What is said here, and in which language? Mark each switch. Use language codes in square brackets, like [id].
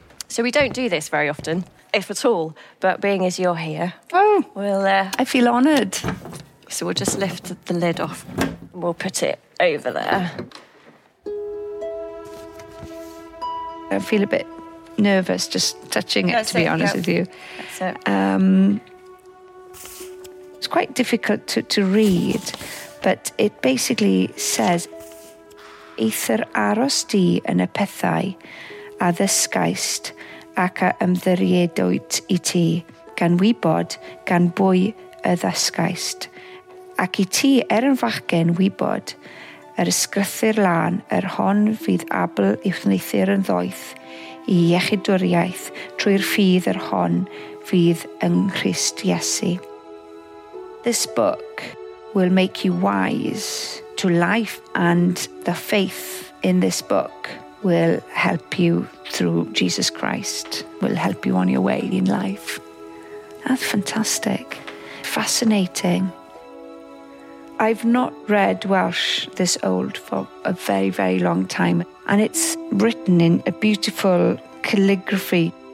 [en] So we don't do this very often, if at all, but being as you're here... Oh, we'll, I feel honoured. So we'll just lift the lid off and we'll put it over there. I feel a bit nervous just touching it, to be honest with you. That's it. It's quite difficult to read, but it basically says, [cy] Aether aros di yn y pethau a ddysgaist ac a ymddiriedwyd i ti gan wybod gan bwy y ddysgaist ac i ti yn fachgen wybod yr ysgrythu'r lan yr hon fydd abl i wneithir yn ddoeth i iechydwriaeth trwy'r ffydd yr hon fydd yng Nghrist Iesu. [en] This book will make you wise to life, and the faith in this book will help you through Jesus Christ, will help you on your way in life. That's fantastic. Fascinating. I've not read Welsh this old for a very, very long time, and it's written in a beautiful calligraphy.